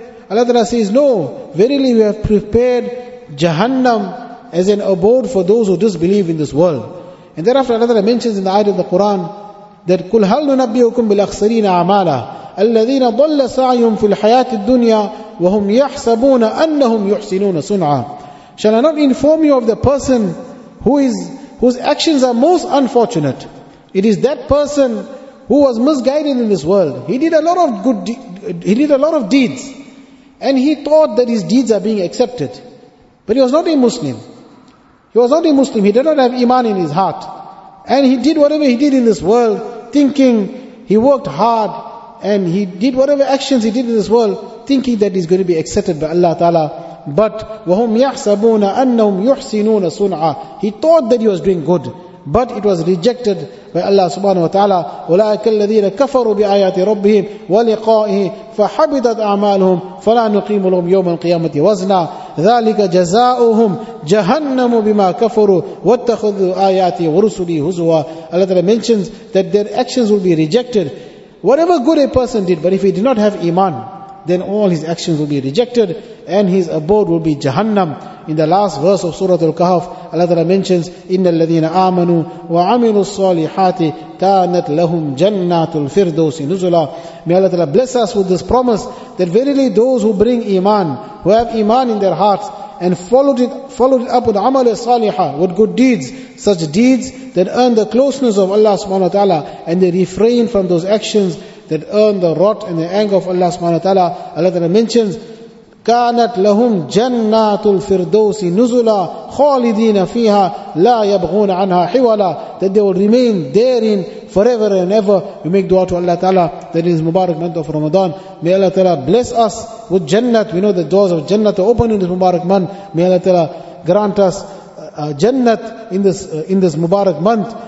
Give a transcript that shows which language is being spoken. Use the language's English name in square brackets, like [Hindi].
[English] Allah ta'ala says, no, verily we have prepared Jahannam as an abode for those who disbelieve in this world. And thereafter Allah ta'ala mentions in the ayat of the Quran that [Arabic] قُلْ هَلْ نُنَبِّئُكُمْ بِالْأَخْسَرِينَ أَعْمَالًا الَّذِينَ ضَلَّ سَعْيُمْ فِي الْحَيَاةِ الدُّنْيَا وَهُمْ يَحْسَبُونَ أَنَّهُمْ يُحْسِنُونَ صُنْعًا. [English] Shall I not inform you of the person whose actions are most unfortunate? It is that person who was misguided in this world. He did a lot of deeds, and he thought that his deeds are being accepted. But he was not a Muslim, he did not have iman in his heart. And he did whatever he did in this world, thinking he worked hard, and he did whatever actions he did in this world, thinking that he's going to be accepted by Allah Ta'ala. But [Arabic] وَهُمْ يَحْسَبُونَ أَنَّهُمْ يُحْسِنُونَ صُنْعًا. [English] He thought that he was doing good, but it was rejected by Allah subhanahu wa ta'ala. [Arabic] أُولَٰئِكَ الَّذِينَ كَفَرُوا بِآيَاتِ رَبِّهِمْ وَلِقَائِهِ فَحَبِطَتْ أَعْمَالُهُمْ فَلَا نُقِيمُ لَهُمْ يَوْمَ الْقِيَامَةِ وَزْنًا ذَلِكَ جَزَاؤُهُمْ جَهَنَّمُ بِمَا كَفَرُوا وَاتَّخَذُوا آيَاتِي وَرُسُلِي هُزُوًا. [English] Allah ta'ala mentions that their actions will be rejected. Whatever good a person did, but if he did not have iman, then all his actions will be rejected and his abode will be Jahannam. In the last verse of Surah Al-Kahf, Allah Ta'ala mentions, [Arabic] إِنَّ الَّذِينَ آمَنُوا وَعَمِلُوا الصَّالِحَاتِ كَانَتْ لَهُمْ جَنَّاتُ الْفِرْدَوْسِ نُزُلًا. [English] May Allah Ta'ala bless us with this promise that verily those who bring iman, who have iman in their hearts and followed it up with amal saliha, with good deeds, such deeds that earn the closeness of Allah subhanahu wa ta'ala, and they refrain from those actions that earn the wrath and the anger of Allah subhanahu wa ta'ala. Allah Ta'ala mentions, [Arabic] كَانَتْ لَهُمْ جَنَّاتُ الْفِرْدَوْسِ نُزُلًا خَالِدِينَ فِيهَا لَا يَبْغُونَ عَنْهَا حِوَلًا. [English] That they will remain therein forever and ever. We make dua to Allah Ta'ala that in this Mubarak month of Ramadan, may Allah Ta'ala bless us with Jannat. We know the doors of Jannat are open in this Mubarak month. May Allah Ta'ala grant us Jannat in this Mubarak month.